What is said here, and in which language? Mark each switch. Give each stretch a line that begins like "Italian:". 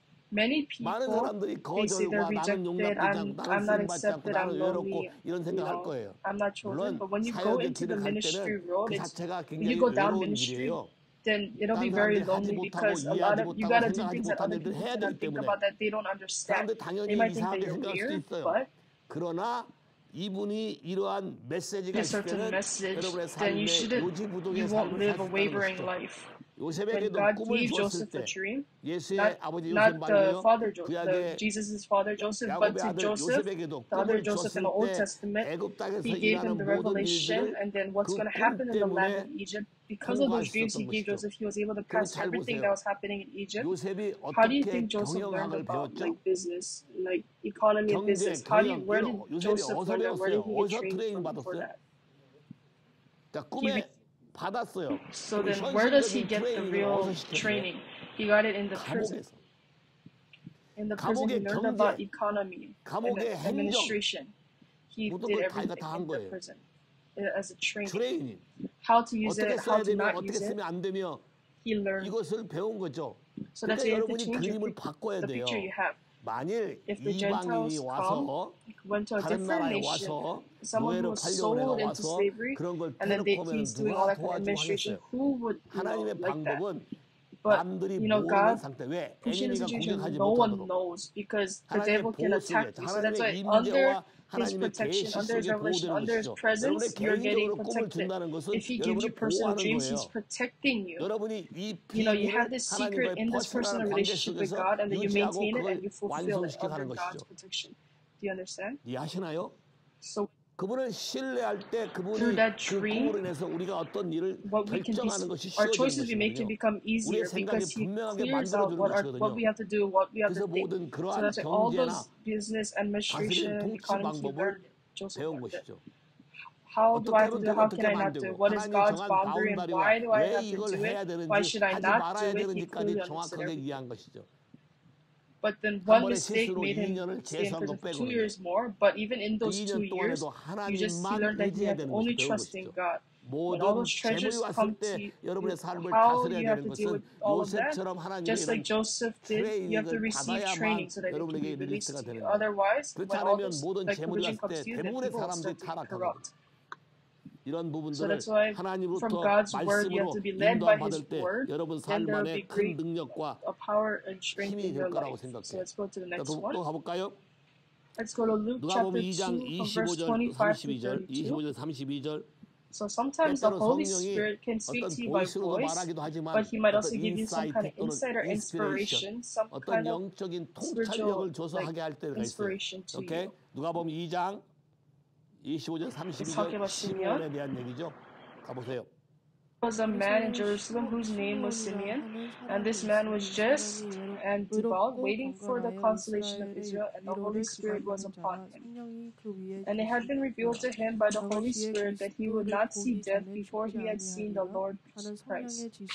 English: Many people, they say they're rejected, I'm not accepted, I'm lonely, you know, I'm not chosen. But when you go into the ministry road, when you go down ministry, then it'll be very lonely because a lot of, you got to do things that other people do not think about that they don't understand. They might think that you're weird, but
Korean: 그러나 이분이 이러한 메시지가 있으면 여러분의 삶에
English: you won't live a wavering life. When God gave Joseph a dream, not the father Joseph, Jesus' father Joseph, but to Joseph, the other Joseph in the Old Testament, he gave him the revelation and then what's going to happen in the land of Egypt. Because of those dreams he gave Joseph, he was able to pass everything that was happening in Egypt. How do you think Joseph learned about like business, like economy and business? Where did Joseph learn that? Where did he get trained from for that? So then where does he get the real training? He got it in the prison. In the prison he learned about economy and administration. He did everything in the prison as a training. How to use it, how to not use it. He learned. So that's why you have to change your picture you have.
Korean: 만일 이방인이 와서 다른 나라에 와서 노예로 팔려오려고 와서 그런 걸 테러포면 누가 도와주겠어요? 하나님의 방법은 남들이 모르는 상태. 왜? 애니미가 공격하지 못하도록. 하나님의 보호 속에 하나님의 임재와 하나님의 계시 속에 보호되는 것이죠. 여러분의 개인적으로 꿈을 둔다는 것은 여러분을 보호하는 거예요. 여러분이 이 비밀을 하나님과의 퍼스널한 관계 속에서 유지하고 그걸 완성시켜가는 것이죠. 이해하시나요? 그분을 신뢰할 때 그분이 그 꿈으로 인해서 우리가 어떤 일을 결정하는 것이 쉬워지는 것이거든요. 우리의 생각이 분명하게 만들어주는 것이거든요. 그래서 모든 그러한 경제나 다스리는 통치 방법을 배운 것이죠.
English: How do I have to do? How can I not do? What is God's boundary and why do I have to do it? Why should I not do it? He clearly understood everything. But then one mistake made him stand for 2 years more. But even in those 2 years, you just see, learn that you have only trust in God. When all those treasures come to you, how you have to deal with all of that? Just like Joseph did, you have to receive training so that it can be released to you. Otherwise, when all those provision comes to you, then people will start to be corrupt.
Korean: 이런 부분들을 so 하나님으로부터 말씀으로 인도받을 때 여러분 삶 안에 큰 능력과 힘이 될 거라고 생각해요.
English: So
Korean: 그러니까 또 가볼까요?
English: Let's go to Luke
Korean: 누가복음 2장 25절 32절
English: So sometimes the Holy Spirit can speak to you by voice,
Korean: 하지만,
English: but he might also give you some kind of insight or inspiration, some kind of spiritual inspiration to you. Okay?
Korean: 누가복음 2장 25절 32절 시몬에 대한 얘기죠. 가보세요.
English: There was a man in Jerusalem whose name was Simeon, and this man was just and devout, waiting for the consolation of Israel, and the Holy Spirit was upon him. And it had been revealed to him by the Holy Spirit that he would not see death before he had seen the Lord Jesus Christ.